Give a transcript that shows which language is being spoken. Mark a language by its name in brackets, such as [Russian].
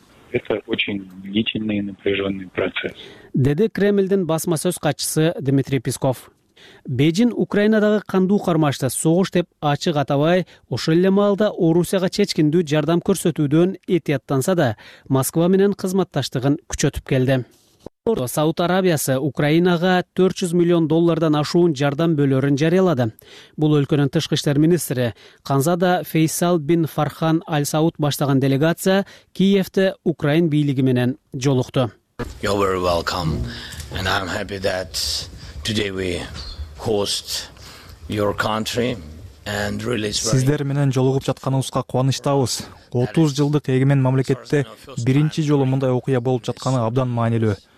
[Russian] Это очень длительный и напряжённый процесс. [Kyrgyz] Деди Кремлдин басма сөз катчысы Дмитрий Песков. Бээжин Украинадагы кандуу кармашты согуш деп ачык атабай, ошол эле маалда Орусияга чечкиндүү жардам көрсөтүүдөн этияттанса да, Москва менен кызматташтыгын күчөтүп келди. Сауд Арабиясы Украинага 400 миллион доллардан ашуун жардам бөлөрүн жарыялады. Бул өлкөнүн тышкы иштер министри Ханзада Фейсал бин Фархан Аль Сауд баштаган делегация Киевде Украин бийлиги менен жолукту. [English] You're very welcome and I'm happy that today we host your country. [Kyrgyz] Сиздер менен жолугуп жатканыбызга кубанычтабыз. 30 жылдык эгемен мамлекетте биринчи жолу мындай окуя болуп жатканы абдан маанилүү.